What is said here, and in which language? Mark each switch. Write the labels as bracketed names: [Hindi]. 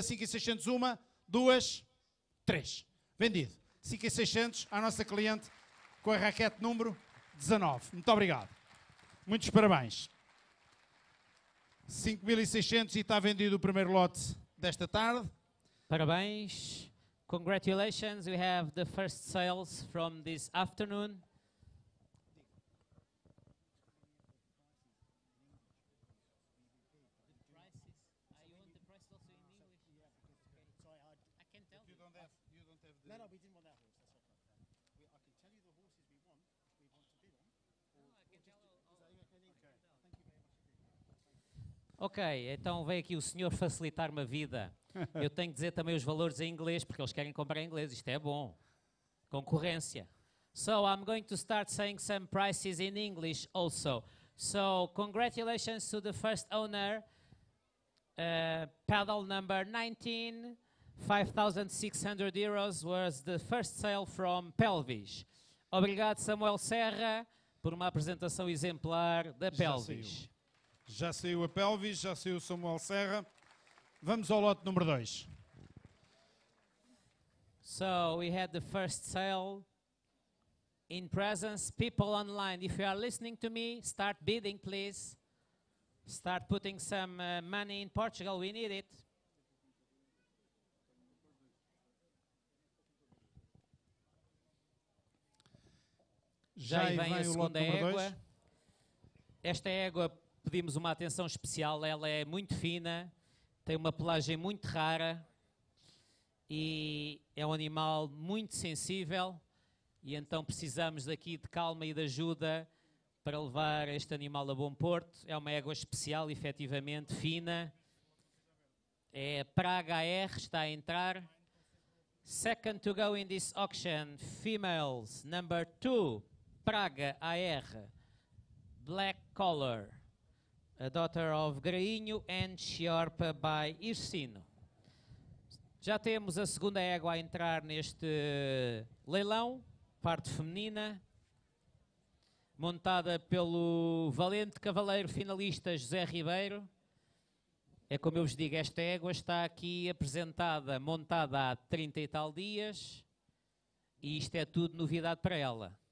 [Portuguese] 5.600, uma, duas, três. Vendido. 5.600 à nossa cliente com a raquete número 19. Muito obrigado. Muitos parabéns. 5.600 e está vendido o primeiro lote desta tarde. Parabéns. [English] Congratulations, we have the first sales from this afternoon. [Portuguese] Ok, então veio aqui o senhor facilitar-me a vida. Eu tenho que dizer também os valores em inglês, porque eles querem comprar em inglês. Isto é bom. Concorrência. [English] So, I'm going to start saying some prices in English also. So, congratulations to the first owner. Pedal number 19, 5,600 euros was the first sale from Pelvis. [Portuguese] Obrigado, Samuel Serra, por uma apresentação exemplar da Pelvis. Já saiu a Pelvis, já saiu o Samuel Serra. Vamos ao lote número 2. [English] So, we had the first sale in presence. People online, if you are listening to me, start bidding, please. Start putting some money in Portugal, we need it. [Portuguese] Já aí vem a segunda égua. Esta égua, pedimos uma atenção especial, ela é muito fina, tem uma pelagem muito rara e é um animal muito sensível e então precisamos daqui de calma e de ajuda para levar este animal a bom porto. É uma égua especial, efetivamente, fina. É Praga AR, está a entrar. [English] Second to go in this auction, females, number 2, Praga AR, black collar. A daughter of Grainho and Chiorpa by Irsino. [Portuguese] Já temos a segunda égua a entrar neste leilão, parte feminina, montada pelo valente cavaleiro finalista José Ribeiro. É como eu vos digo, esta égua está aqui apresentada, montada há 30 e tal dias, e isto é tudo novidade para ela.